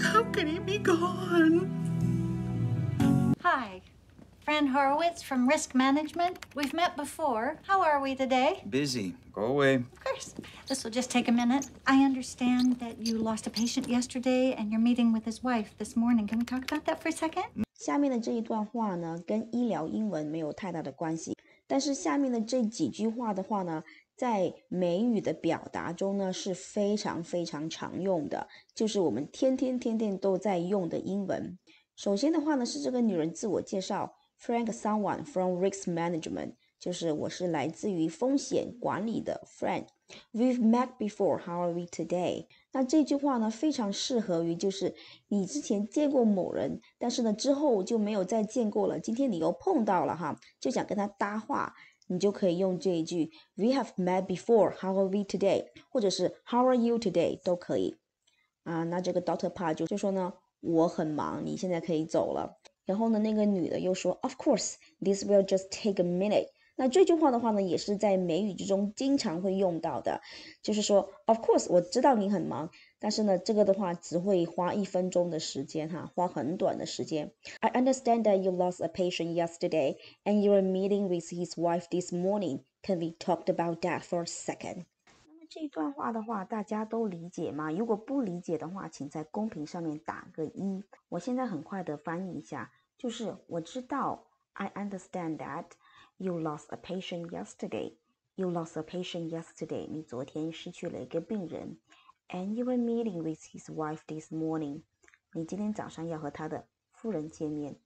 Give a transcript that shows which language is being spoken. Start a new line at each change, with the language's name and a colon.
English: How can he be gone? Hi, Fran Horowitz from Risk Management. We've met before. How are we today? Busy. Go away. Of course. This will just take a minute. I understand that you lost a patient yesterday and you're meeting with his wife this morning. Can we talk about that for a second?
Chinese: 下面的这一段话呢跟医疗英文没有太大的关系，但是下面的这几句话的话呢在美语的表达中呢是非常非常常用的，就是我们天天都在用的英文。首先的话呢是这个女人自我介绍， Frank someone
English: from risk management，
Chinese: 就是我是来自于风险管理的 Frank。
English: We've met before, how are we today？
Chinese: 那这句话呢非常适合于就是你之前见过某人，但是呢之后就没有再见过了，今天你又碰到了哈，就想跟他搭话，你就可以用这一句
English: We have met before, how are we today?
Chinese: 或者是
English: How are you today?
Chinese: 都可以啊。那这个 Dr. Pa 就说呢我很忙，你现在可以走了。
English: 然后呢那个女的又说 Of course, this will just take a minute。
Chinese: 那这句话的话呢也是在美语之中经常会用到的，就是说
English: of course
Chinese: 我知道你很忙，但是呢这个的话只会花一分钟的时间哈，花很短的时间。
English: I understand that you lost a patient yesterday and you're meeting with his wife this morning. Can we talk about that for a second?
Chinese: 那么这一段话的话大家都理解吗？如果不理解的话请在公屏上面打个一。我现在很快的翻译一下，就是我知道
English: I understand thatYou lost a patient yesterday. You lost a patient yesterday.
Chinese: 你昨天失去了一个病人。
English: And you were meeting with his wife this morning.
Chinese: 你今天早上要和他的夫人见面。